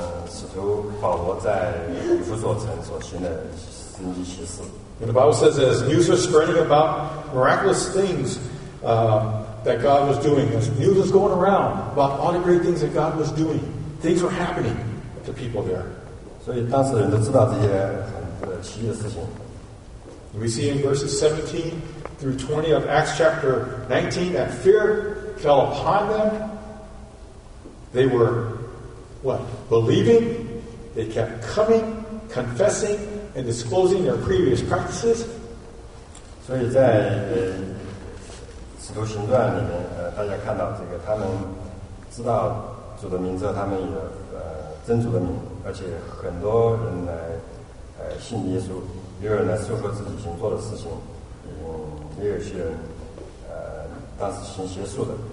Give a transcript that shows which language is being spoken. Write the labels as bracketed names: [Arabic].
[Chinese] 使徒保罗在以弗所城所行的神迹奇事。 [English] And the Bible says as news was spreading about miraculous things. That God was doing, as news was going around about all the great things that God was doing, things were happening to people there. So, [Chinese] 当事人都知道这些很奇异的事情。 [English] We see in verses 17 through 20 of Acts chapter 19 that fear fell upon them. They were what? Believing. They kept coming, confessing, and disclosing their previous practices. So, [Chinese] 在使徒行传里面，大家看到这个，他们知道主的名之后，他们也真主的名，而且很多人来信耶稣，也有人来诉说自己行做的事情，也有些人当时行邪术的。